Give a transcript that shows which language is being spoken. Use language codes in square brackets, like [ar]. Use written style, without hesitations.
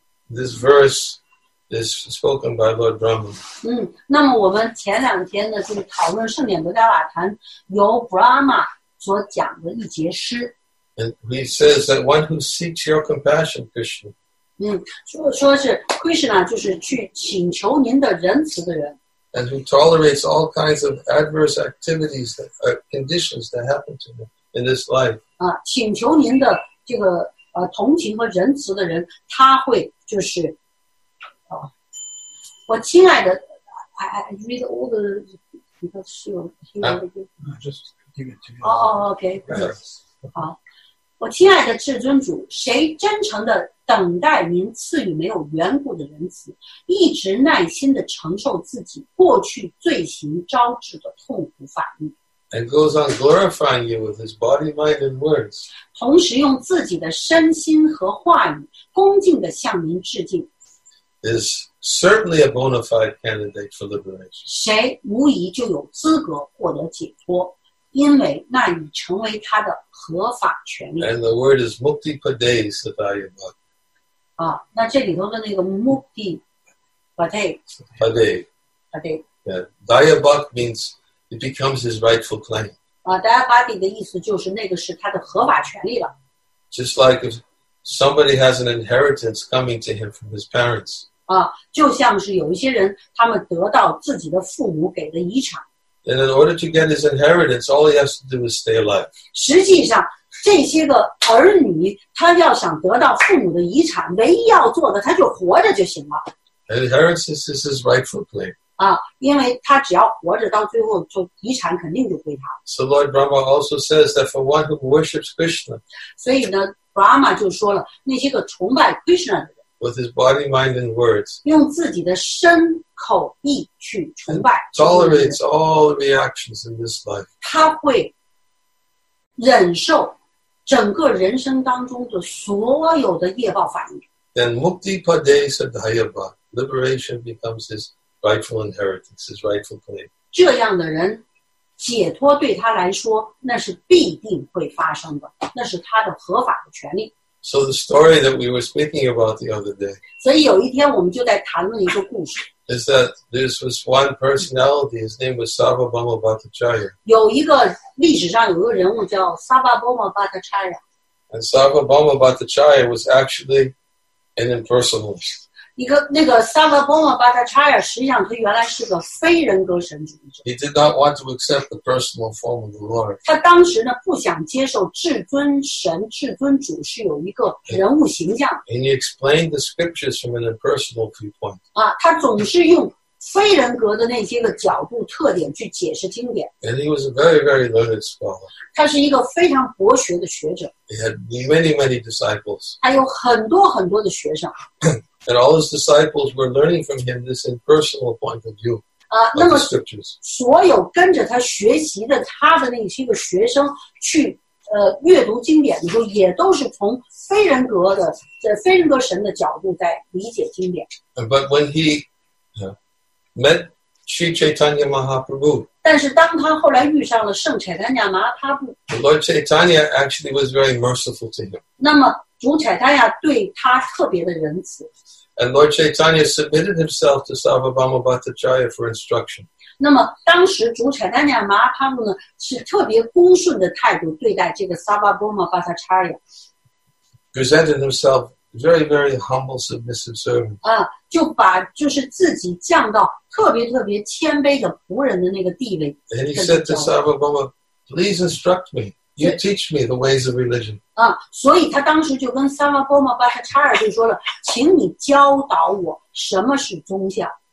[en] This verse is spoken by Lord Brahma. [zh] 那么我们前两天呢，就是讨论圣典国家瓦坛由 Brahma 所讲的一节诗。And he says that one who seeks your compassion, Krishna. 说是 Krishna 就是去请求您的仁慈的人。And who tolerates all kinds of adverse activities, conditions that happen to him in this life. 请求您的这个同情和仁慈的人，他会就是。我亲爱的, [en] I read all the because you just give it to me. Oh, okay. Yes. [zh] 我亲爱的至尊主，谁真诚地等待您赐予没有缘故的仁慈，一直耐心地承受自己过去罪行招致的痛苦反应？ [en] And goes on glorifying you with his body, mind, and words. [zh] 同时用自己的身心和话语恭敬地向您致敬。 [en] Is certainly a bona fide candidate for liberation. [zh] 谁无疑就有资格获得解脱。因为那已成为他的合法权利。 [en] And the word is mukti padesh sadayama. [zh] 啊，那这里头的那个 mukti padesh. [en] Dayabak means it becomes his rightful claim. [zh] 啊 ，dayabadi 的意思就是那个是他的合法权利了。 [en] Just like if somebody has an inheritance coming to him from his parents. [zh] 啊，就像是有一些人，他们得到自己的父母给的遗产。 [en] And in order to get his inheritance, all he has to do is stay alive. [zh] 实际上，这些个儿女，他要想得到父母的遗产，唯一要做的，他就活着就行了。 [en] Inheritance is his rightful claim. [zh] 啊，因为他只要活着，到最后就遗产肯定就归他。 [en] So Lord Brahma also says that for one who worships Krishna. [zh] 所以呢 ，Brahma 就说了，那些个崇拜 Krishna 的人 [en] ，with his body, mind, and words. [zh] 用自己的身。口意去崇拜 [en] tolerates all reactions in this life. [zh] 他会忍受整个人生当中的所有的业报反应。 [en] Then mukti padesh adhyaba, liberation becomes his rightful inheritance, his rightful claim. [zh] 这样的人解脱对他来说，那是必定会发生的，那是他的合法的权利。 [en] So the story that we were speaking about the other day. [zh] 所以有一天我们就在谈论一个故事。 [en] Is that this was one personality? His name was Sarvabhauma Bhattacharya. [zh] 有一个历史上有一个人物叫 Sarvabhauma Bhattacharya. [en] And Sarvabhauma Bhattacharya was actually an impersonalist. [zh] 一个那个 Sarvabhauma Bhattacharya 实际上他原来是个非人格神主义者。 [en] He did not want to accept the personal form of the Lord. [zh] 他当时呢不想接受至尊神、至尊主是有一个人物形象。 [en] And he explained the scriptures from an impersonal viewpoint. [zh] 啊，他总是用非人格的那些个角度、特点去解释经典。 [en] And he was a very, very learned scholar. [zh] 他是一个非常博学的学者。 [en] He had many, many disciples. [zh] 还有很多很多的学生。 [en] And all his disciples were learning from him this impersonal point of view of the scriptures. [zh] 所有跟着他学习的他的那些个学生去阅读经典的时候，也都是从非人格的这非人格神的角度在理解经典。 [en] But when he met Sri Chaitanya Mahaprabhu, [zh] 但是当他后来遇上了圣 Chaitanya Mahaprabhu, [en] Lord Chaitanya actually was very merciful to him. [zh] 那么主宰他呀，对他特别的仁慈。 [en] And Lord Chaitanya submitted himself to Sarvabhauma Bhattacharya for instruction. [zh] 那么当时主宰他呀，麻他们呢是特别恭顺的态度对待这个 Sarvabhauma Bhattacharya. [en] Presented himself very, very humble, submissive servant. [zh] 啊，就把就是自己降到特别特别谦卑的仆人的那个地位。 [en] And he said to Sarvabhauma, "Please instruct me." You teach me the ways of religion. [zh] 啊，所以他当时就跟 Sarvabhauma Bhattacharya 就说了，请你教导我什么是宗教。